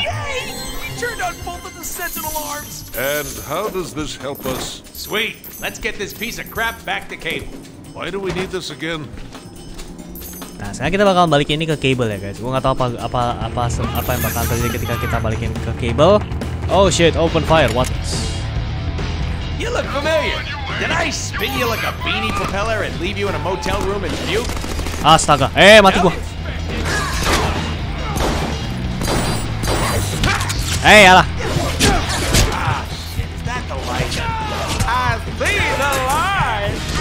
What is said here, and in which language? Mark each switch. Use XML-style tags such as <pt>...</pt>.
<en>We turned on both of the sentinel arms. And how does this help us? Sweet. Let's get this piece of crap back to cable. Why do we need this again?</en> <id>Nah, sekarang kita bakal balikin ini ke cable ya, guys. Gua enggak tahu apa yang bakal terjadi ketika kita balikin ke cable.</id> <en>Oh shit, open fire. What? You look familiar. Did I spin you like a beanie propeller and leave you in a motel room in Butte?</en> <id>Astaga, mati gua. Alah.</id> <en>Is that the light? I see the light.</en>